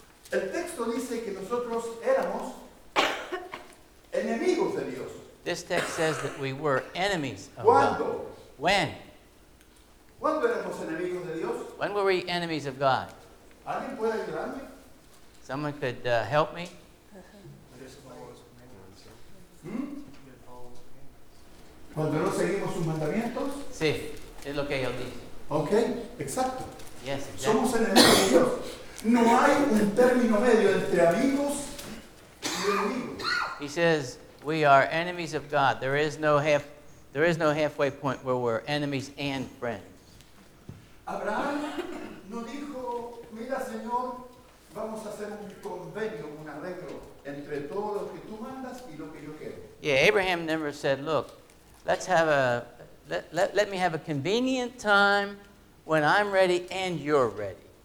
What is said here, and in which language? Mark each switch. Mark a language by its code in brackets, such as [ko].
[es] El texto dice que nosotros éramos enemigos de Dios. [en] This text says that we were enemies of [es] ¿Cuándo? [en] God. When? [es] ¿Cuándo éramos enemigos de Dios? [en] When were we enemies of God? [es] ¿Alguien puede ayudarme? [en] Someone could help me. [es] Cuando no seguimos sus mandamientos. Sí, es lo que él dice. Okay, exacto. [en] Yes, exactly. [es] Somos enemigos de Dios. No hay un término medio entre amigos y enemigos. [en] He says we are enemies of God. There is no halfway point where we're enemies and friends. [es] Abraham no dijo, mira, Señor, vamos a hacer un convenio, un arreglo entre todo lo que tú mandas y lo que yo quiero. [en] Yeah, Abraham never said, look. Let's have a let me have a convenient time when I'm ready and you're ready.